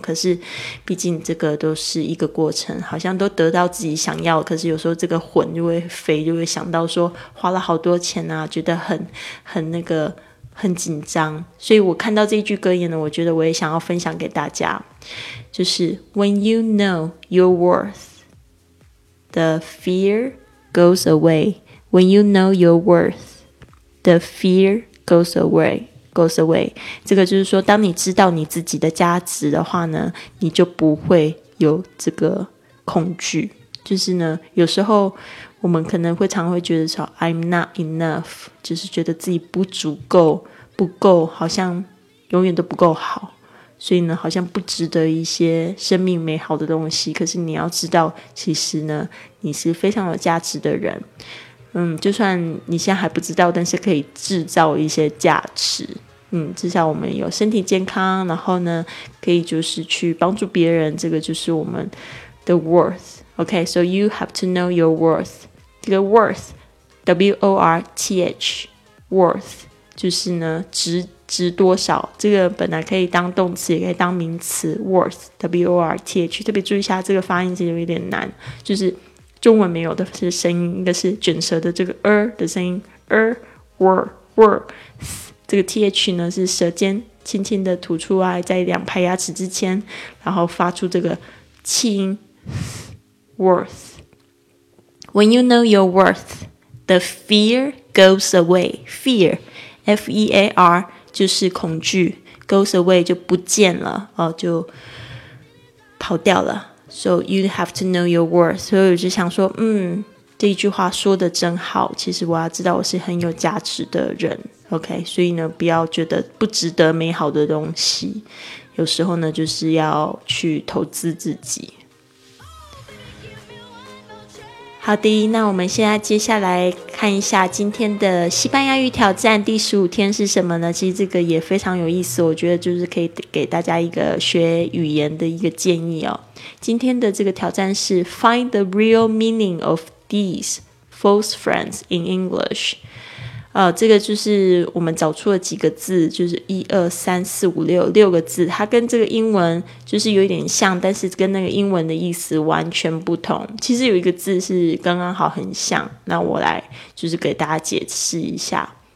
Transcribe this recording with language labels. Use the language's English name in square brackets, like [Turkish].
[Chinese] 可是毕竟这个都是一个过程，好像都得到自己想要，可是有时候这个魂就会飞，就会想到说花了好多钱啊，觉得很那个很紧张。所以我看到这一句格言呢，我觉得我也想要分享给大家，就是 [English] When you know your worth, the fear goes away. When you know your worthThe fear goes away. [Chinese] 这个就是说，当你知道你自己的价值的话呢，你就不会有这个恐惧。就是呢，有时候我们可能会常会觉得说 [English] I'm not enough， [Chinese] 就是觉得自己不足够，不够，好像永远都不够好，所以呢，好像不值得一些生命美好的东西。可是你要知道，其实呢，你是非常有价值的人。就算你现在还不知道，但是可以制造一些价值。至少我们有身体健康，然后呢，可以就是去帮助别人，这个就是我们的 worth。 [English] Okay, so you have to know your worth. [Chinese] 这个 worth, W-O-R-T-H, worth, 就是呢，值多少。这个本来可以当动词，也可以当名词， worth, W-O-R-T-H, 特别注意一下，这个发音是有点难，就是中文没有的是声音，应该是卷舌的这个 r 的声音 r r r， 这个 th 呢是舌尖轻轻的吐出来，在两排牙齿之间，然后发出这个气音 worth。 [English] When you know your worth, the fear goes away. [Chinese] Fear, F-E-A-R 就是恐惧， [English] goes away [Chinese] 就不见了，就跑掉了。 [English] So you have to know your worth. [Chinese] 所以我就想说，这一句话说的真好，其实我要知道我是很有价值的人。 OK, 所以呢，不要觉得不值得美好的东西，有时候呢，就是要去投资自己。好的，那我们现在接下来看一下今天的西班牙语挑战第15天是什么呢？其实这个也非常有意思，我觉得就是可以给大家一个学语言的一个建议哦。今天的这个挑战是 [English] Find the real meaning of these false friends in English。 [Chinese] 这个就是我们找出了几个字，就是1、2、3、4、5、6个字，它跟这个英文就是有点像，但是跟那个英文的意思完全不同。其实有一个字是刚刚好很像，那我来就是给大家解释一下。